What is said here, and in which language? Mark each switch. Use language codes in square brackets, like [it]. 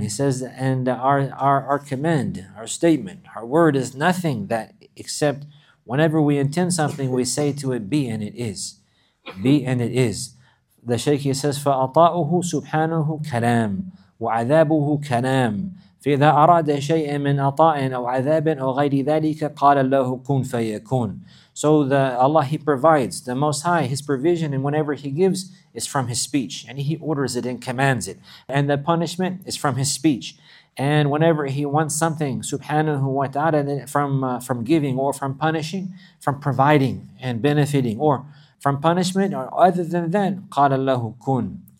[en] He says, and our command, our statement, our word is nothing that except whenever we intend something, we say to it, be, and it is. Be, and it is. The Shaykh, he says, [ar] فَأَطَاؤُهُ سُبْحَانُهُ كَلَامٌ وَعَذَابُهُ كَلَامٌ فَإِذَا أَرَادَ شَيْئًا مِنْ أَطَاءٍ أَوْ عَذَابٍ أَوْ غَيْرِ ذَلِكَ قَالَ اللَّهُ كُنْ فَيَكُونَ. [en] So the Allah, He provides, the Most High, His provision, and whatever He gives is from His speech. And He orders it and commands it. And the punishment is from His speech. And whenever He wants something, subhanahu wa ta'ala, from giving or from punishing, from providing and benefiting, or from punishment, or other than that, [ar] قَالَ اللَّهُ كُنْ.